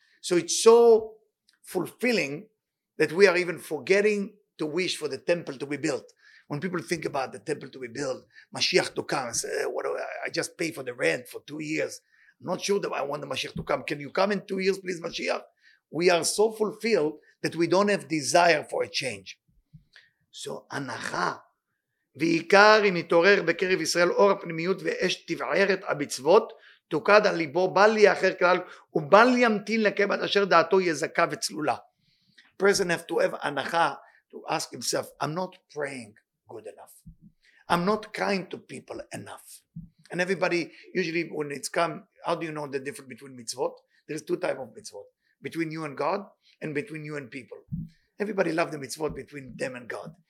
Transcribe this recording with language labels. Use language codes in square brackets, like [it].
[en] So it's so fulfilling that we are even forgetting to wish for the temple to be built. When people think about the temple to be built, Mashiach to come, and say, what do I just pay for the rent for 2 years. I'm not sure that I want the Mashiach to come. Can you come in 2 years, please, Mashiach? We are so fulfilled that we don't have desire for a change. So, anacha. [he] ועיקר אם יתעורר בקרב ישראל אור הפנימיות ואש תבערת המצוות, תוקד על ליבו, בל יאחר כלל, ובל ימתין לקיים עד אשר דעתו יזקה וצלולה. [en] Person have to have anacha. To ask himself, I'm not praying good enough. I'm not kind to people enough. And everybody, usually when it's come, how do you know the difference between mitzvot? There's two types of mitzvot. Between you and God and between you and people. Everybody loves the mitzvot between them and God.